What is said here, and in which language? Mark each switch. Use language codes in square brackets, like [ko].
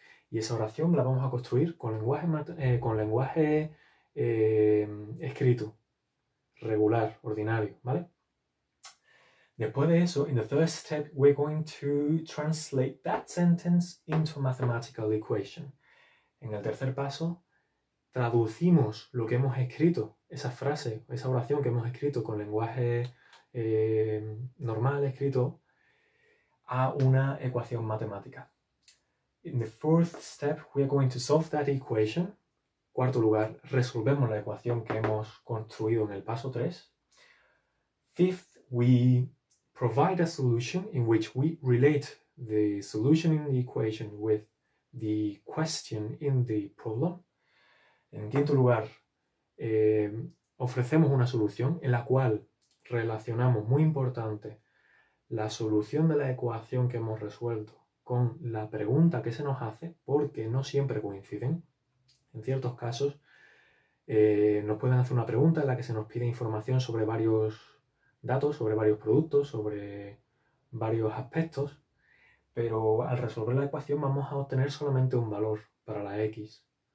[es] Y esa oración la vamos a construir con lenguaje escrito, regular, ordinario, ¿vale? Después de eso, [en] in the third step, we're going to translate that sentence into a mathematical equation. [es] En el tercer paso, traducimos lo que hemos escrito, esa frase, esa oración que hemos escrito con lenguaje normal escrito, a una ecuación matemática. [en] In the fourth step, we're going to solve that equation. [es] Cuarto lugar, resolvemos la ecuación que hemos construido en el paso 3. [en] Fifth, we provide a solution in which we relate the solution in the equation with the question in the problem. [es] En quinto lugar, ofrecemos una solución en la cual relacionamos, muy importante, la solución de la ecuación que hemos resuelto con la pregunta que se nos hace, porque no siempre coinciden. En ciertos casos, nos pueden hacer una pregunta en la que se nos pide información sobre varios datos, sobre varios productos, sobre varios aspectos, pero al resolver la ecuación vamos a obtener solamente un valor para la x.